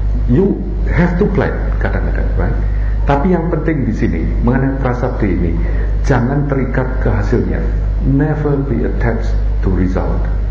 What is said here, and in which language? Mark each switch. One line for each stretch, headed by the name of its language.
English: You have to plan
Indonesian: kadang-kadang,
English: right?
Indonesian: Tapi yang penting di sini mengenai prasakti ini, jangan terikat ke hasilnya.
English: Never be attached to result.